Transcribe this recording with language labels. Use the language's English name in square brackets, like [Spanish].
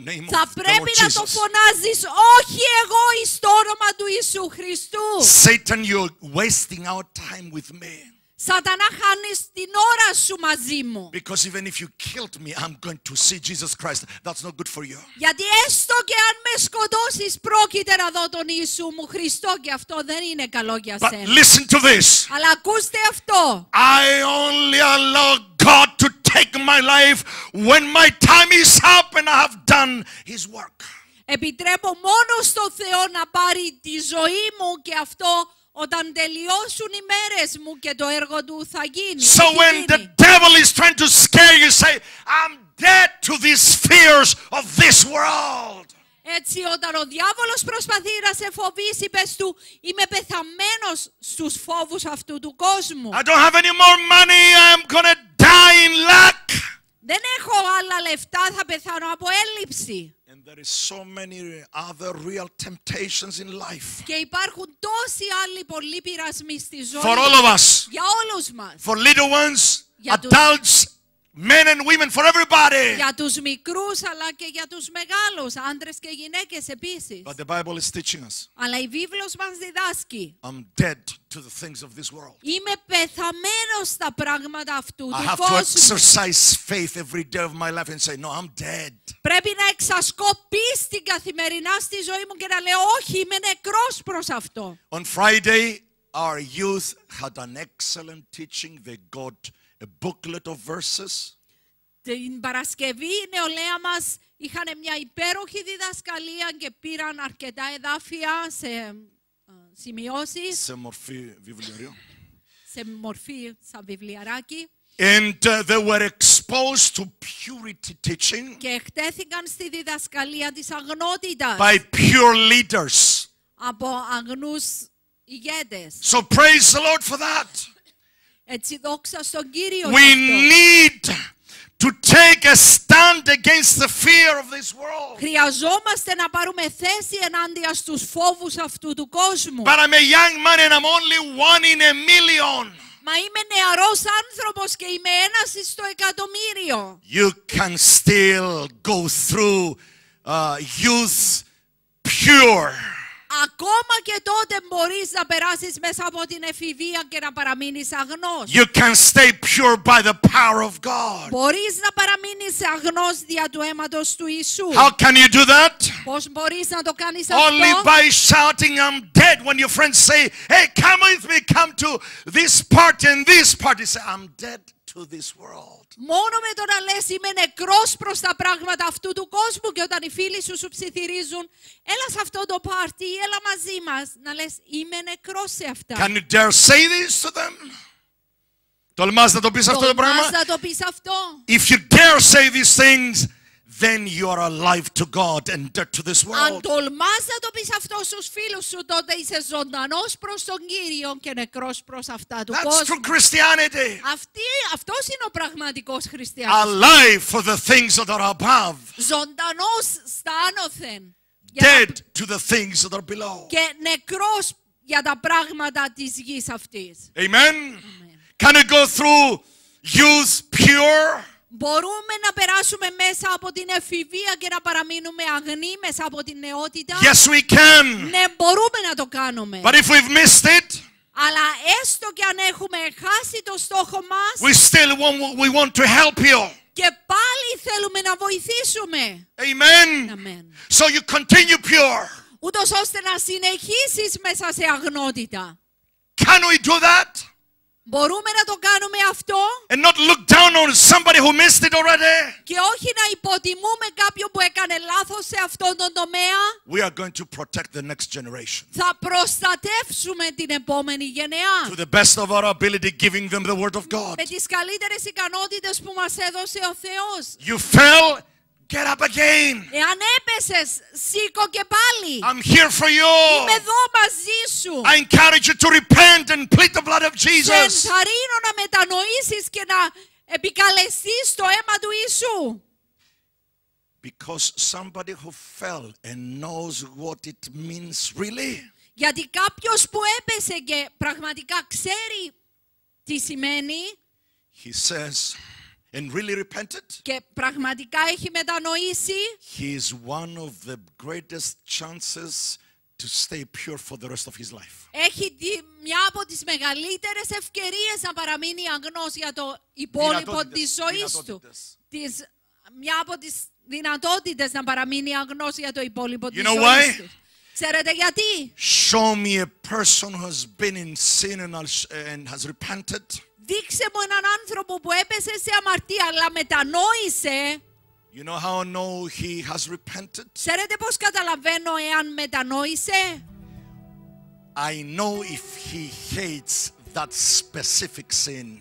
[Greek] Θα πρέπει να το φωνάζεις, όχι εγώ, εις το όνομα του Ιησού Χριστού. [English] Satan, you're wasting our time with me. [Greek] Σατανά, χάνεις την ώρα σου μαζί μου. [English] Because even if you killed me, I'm going to see Jesus Christ. That's not good for you. [Greek] Γιατί έστω και αν με σκοτώσεις, πρόκειται να δω τον Ιησού μου Χριστό και αυτό δεν είναι καλό για σένα. [English] But listen to this. [Greek] Αλλά ακούστε αυτό. [English] I only allow God to take my life when my time is up and I have done His work. [Greek] Επιτρέπω μόνο στο Θεό να πάρει τη ζωή μου και αυτό. Όταν τελειώσουν οι μέρες μου και το έργο του θα γίνει. [English] So when the devil is trying to scare you, say, I'm dead to these fears of this world. [Greek] Έτσι όταν ο διάβολος προσπαθεί να σε φοβήσει, πες του, είμαι πεθαμένος στους φόβους αυτού του κόσμου. [English] I don't have any more money, I'm gonna die in lack. [Greek] Δεν έχω άλλα λεφτά, θα πεθάνω από έλλειψη. [English] And there is so many other real temptations in life. [Greek] Και υπάρχουν τόσοι άλλοι πολλοί πειρασμοί στη ζωή. [English] For all of us. [Greek] Για όλους μας. [English] For little ones, adults, men and women, for everybody. [Greek] Για τους μικρούς αλλά και για τους μεγάλους, άντρες και γυναίκες επίσης. [English] But the Bible is teaching us. [Greek] Αλλά η Βίβλος μας διδάσκει. [English] I'm dead to the things of this world. [Greek] Είμαι πεθαμένος στα πράγματα αυτού του κόσμου. [English] I have to exercise faith every day of my life and say, no, I'm dead. [Greek] Πρέπει να εξασκώ πίστη καθημερινά στη ζωή μου και να λέω, όχι, είμαι νεκρός προς αυτό. [English] On Friday, our youth had an excellent teaching. They got a booklet of verses. [Greek] Την Παρασκευή η νεολαία μας είχαν μια υπέροχη διδασκαλία και πήραν αρκετά εδάφια σε σημειώσεις. Σε μορφή βιβλιαρίου. Σε μορφή σαν βιβλιαράκι. [English] And they were exposed to purity teaching. [Greek] Και εκτέθηκαν στη διδασκαλία της αγνότητας. [English] By pure leaders. [Greek] Από αγνούς ηγέτες. [English] So praise the Lord for that. [Greek] Έτσι δόξα στον Κύριο. [English] We need to take a stand against the fear of this world. [Greek] Χρειαζόμαστε να πάρουμε θέση ενάντια στους φόβους αυτού του κόσμου. [English] But I'm a young man and I'm only one in a million. [Greek] Μα είμαι νεαρός άνθρωπος και είμαι ένας στο εκατομμύριο. [English] You can still go through youth pure. [Greek] Ακόμα και τότε μπορείς να περάσεις μέσα από την εφηβεία και να παραμείνεις αγνός. [English] You can stay pure by the power of God. [Greek] Μπορείς να παραμείνεις αγνός δια του αίματος του Ιησού. [English] How can you do that? [Greek] Πώς μπορείς να το κάνεις αυτό? [English] Only by shouting I'm dead when your friends say, hey, come with me, come to this party and this party. Say, I'm dead to this world. [Greek] Μόνο με το να λε λες είμαι νεκρός προς τα πράγματα αυτού του κόσμου και όταν οι φίλοι σου σου ψιθυρίζουν, έλα σε αυτό το πάρτι, έλα μαζί μας, να λες είμαι νεκρός σε αυτά. [English] Can you dare say this to them? [Greek] Τολμάς να το πεις αυτό το πράγμα? Τολμάς να το πεις αυτό? [English] If you dare say these things, then you are alive to God and dead to this world. [Greek] Αν τολμάς να το πεις αυτό στους φίλους σου, τότε είσαι ζωντανός προς τον Κύριο και νεκρός προς αυτά του κόσμου. [English] That's true Christianity. [Greek] Αυτός είναι ο πραγματικός χριστιανός. [English] Alive for the things that are above. [Greek] Ζωντανός στα άνωθεν. [English] Dead to the things that are below. [Greek] Και νεκρός για τα πράγματα της γης αυτής. [English] Amen. Can it go through youth pure? [Greek] Μπορούμε να περάσουμε μέσα από την εφηβεία και να παραμείνουμε αγνοί μέσα από την νεότητα? [English] Yes, we can. [Greek] Ναι, μπορούμε να το κάνουμε. [English] But if we've missed it, [Greek] αλλά έστω και αν έχουμε χάσει το στόχο μας, [English] we still want to help you. [Greek] Και πάλι θέλουμε να βοηθήσουμε. [English] Amen. Amen. So you continue pure. [Greek] Ούτως ώστε να συνεχίσεις μέσα σε αγνότητα. [English] Can we do that? [Greek] Μπορούμε να το κάνουμε αυτό? [English] And not look down on somebody who missed it already. [Greek] Και όχι να υποτιμούμε κάποιον που έκανε λάθος σε αυτόν τον τομέα. [English] We are going to protect the next generation. [Greek] Θα προστατεύσουμε την επόμενη γενεά. [English] To the best of our ability, giving them the word of God. [Greek] Με τις καλύτερες ικανότητες που μας έδωσε ο Θεός. [English] You fell, get up again. [Greek] Εάν έπεσες, σήκω και πάλι. [English] I'm here for you. [Greek] Είμαι εδώ μαζί σου. [English] I encourage you to repent and plead the blood of Jesus. [Greek] Σε ενθαρρύνω να μετανοήσεις και να επικαλεστείς το αίμα του Ιησού. [English] Because somebody who fell and knows what it means really. [Greek] Γιατί κάποιος που έπεσε και πραγματικά ξέρει τι σημαίνει. [English] He says. And really repented. [Greek] Και πραγματικά έχει μετανοήσει. [English] He is one of the greatest chances to stay pure for the rest of his life. [Greek] Έχει μια από τις μεγαλύτερες ευκαιρίες να παραμείνει αγνός για το υπόλοιπο της ζωής του. Μια από τις δυνατότητες να παραμείνει αγνός για το υπόλοιπο της ζωής του. Ξέρετε γιατί? [English] Show me a person who has been in sin and has repented. [Greek] Δείξε μου έναν άνθρωπο που έπεσε σε αμαρτία αλλά μετανόησε. [English] You know how I know he has repented? [Greek] Ξέρετε πώς καταλαβαίνω εάν μετανόησε? [English] I know if he hates that specific sin.